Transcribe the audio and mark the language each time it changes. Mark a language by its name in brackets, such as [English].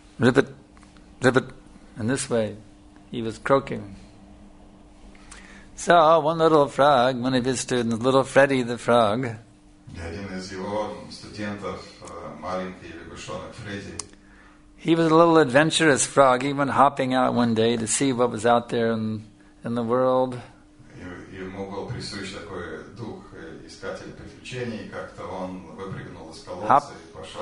[English] Rip it. In this way, he was croaking. So one little frog, one of his students, little Freddy the frog. [Russian] Один из его студентов, маленький лягушонок Фредди. [English] He was a little adventurous frog. He went hopping out one day to see what was out there in the world. [Russian] Ему был присущ такой дух искателя приключений. Как-то он выпрыгнул из колодца и пошел.